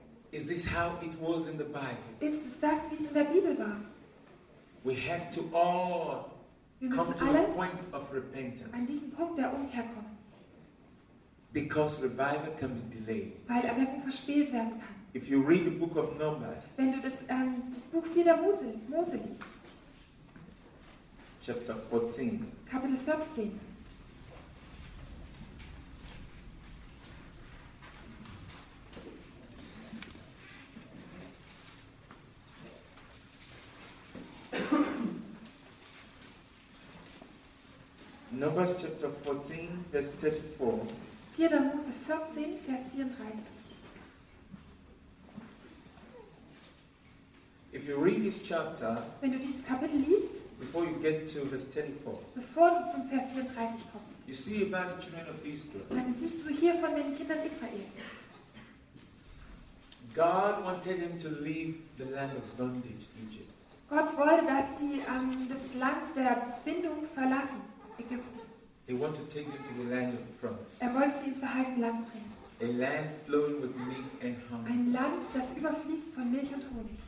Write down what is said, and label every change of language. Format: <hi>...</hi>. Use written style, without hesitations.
<en>Is this how it was in the Bible?</en> <de>Ist es das, wie es in der Bibel war?</de> <en>We have to all come to</en> <de>alle</de> <en>a point of repentance.</en> <de>An diesen Punkt der Umkehr kommen.</de> <en>Because revival can be delayed.</en> <de>Weil Erweckung verspielt werden kann.</de> <en>If you read the book of Numbers,</en> <de>wenn du das, das Buch 4 der Mose liest,</de> <en>chapter 14,</en> <de>Kapitel 14,</de> <en>Numbers chapter 14, verse 34,</en> <de>4 der Mose 14, Vers 34.</de> <en>If you read this chapter,</en> <de>wenn du dieses Kapitel liest,</de> <en>before you get to verse 34,</en> <de>bevor du zum Vers 34 kommst,</de> <en>you see about the children of Israel.</en> <de>Dann siehst du hier von den Kindern Israel.</de> <en>God wanted them to leave the land of bondage, Egypt.</en> <de>Gott wollte, dass sie das Land der Bindung verlassen, Ägypten.</de> <en>He wanted to take them to the land of promise.</en> <de>Er wollte sie ins verheißene Land bringen.</de> <en>A land flowing with milk and honey.</en> <de>Ein Land, das überfließt von Milch und Honig.</de>